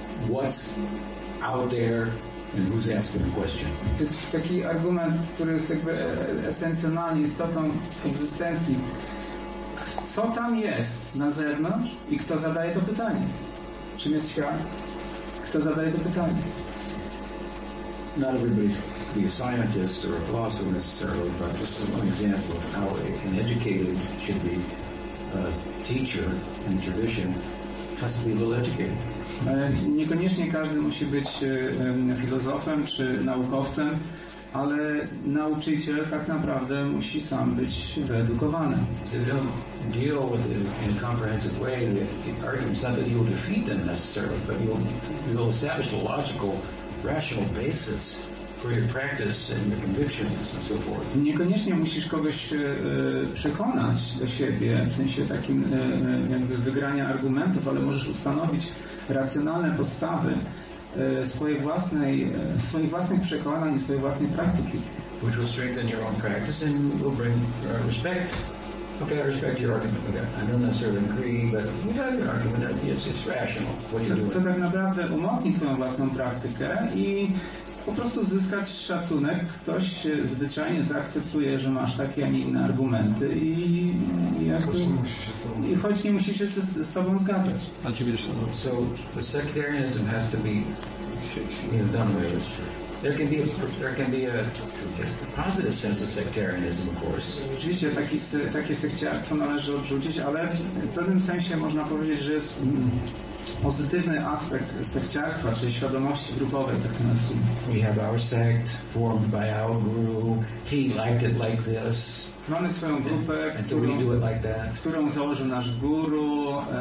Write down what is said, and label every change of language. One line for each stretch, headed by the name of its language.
English: What's out there and who's asking the question?
Polish: To jest taki argument, który jest jakby esencjonalnie istotą egzystencji. Co tam jest na zewnątrz i kto zadaje to pytanie? Czym jest świat? Kto zadaje to pytanie?
English: Not everybody's be a scientist or a philosopher necessarily, but just as an example of how an educated should be a teacher in tradition has to be a little educated.
Polish: Niekoniecznie każdy musi być filozofem czy naukowcem, ale nauczyciel tak naprawdę musi sam być wyedukowany.
English: So you don't deal with it in a comprehensive way. The argument is not that you will defeat them necessarily, but you will establish a logical, rational basis for your practice and your convictions and so forth.
Polish: Niekoniecznie musisz kogoś przekonać do siebie, w sensie takim jakby wygrania argumentów, ale możesz ustanowić racjonalne podstawy swoich własnych przekonań i swojej własnej praktyki.
English: Which will strengthen your own practice and will bring respect. Okay, I respect your argument. Okay. I don't necessarily agree, but you have your argument. It's rational. What you're doing.
Polish: Co tak naprawdę umocni twoją własną praktykę i po prostu zyskać szacunek. Ktoś zwyczajnie zaakceptuje, że masz takie, a nie inne argumenty choć nie musi się z tobą zgadzać. A ciebie też.
English: So the sectarianism has to be done with. There can be a positive sense of sectarianism, of course.
Polish: Oczywiście takie sekciarstwo należy odrzucić, ale w pewnym sensie można powiedzieć, że jest pozytywny aspekt sekciarstwa, czyli świadomości grupowej, tak naprawdę.
English: We have our sect formed by our guru. He liked it like this.
Polish: Mamy swoją grupę, którą założył nasz guru.